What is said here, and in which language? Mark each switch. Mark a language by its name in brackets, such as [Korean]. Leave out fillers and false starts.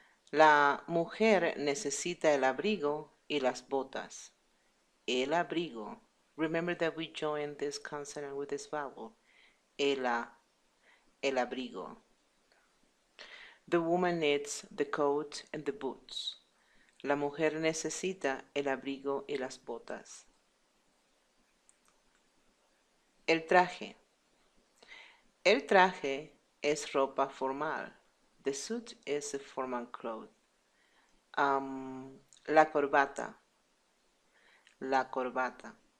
[Spanish] La mujer necesita el abrigo y las botas. El abrigo. [English] Remember that we join this consonant with this vowel. [Spanish] El abrigo. [English] The woman needs the coat and the boots. [Spanish] La mujer necesita el abrigo y las botas. El traje. El traje es ropa formal. [English] The suit is a formal cloth. [Spanish] La corbata. La corbata.